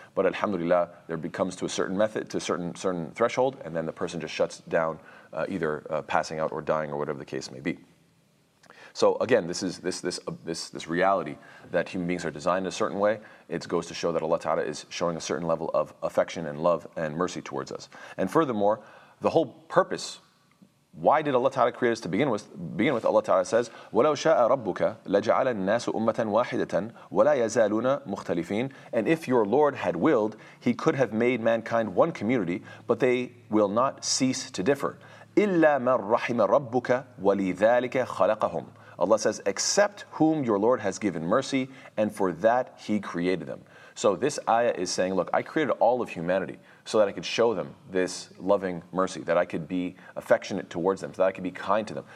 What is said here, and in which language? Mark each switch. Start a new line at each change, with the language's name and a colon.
English: But alhamdulillah, there becomes to a certain method, to a certain threshold, and then the person just shuts down, either passing out or dying or whatever the case may be. So again, this is this reality that human beings are designed a certain way. It goes to show that Allah Ta'ala is showing a certain level of affection and love and mercy towards us. And furthermore, the whole purpose, why did Allah Ta'ala create us to begin with? Allah Ta'ala says,
Arabic: وَلَوْ شَاءَ رَبُّكَ لَجَعَلَ النَّاسُ أُمَّةً وَاحِدَةً وَلَا يَزَالُونَ مُخْتَلِفِينَ.
English: And if your Lord had willed, He could have made mankind one community, but they will not cease to differ.
Arabic: إِلَّا مَنْ رَحِمَ رَبُّكَ وَلِذَٰلِكَ خَلَقَهُمْ.
English: Allah says, except whom your Lord has given mercy, and for that He created them. So this ayah is saying, look, I created all of humanity so that I could show them this loving mercy, that I could be affectionate towards them, so that I could be kind to them.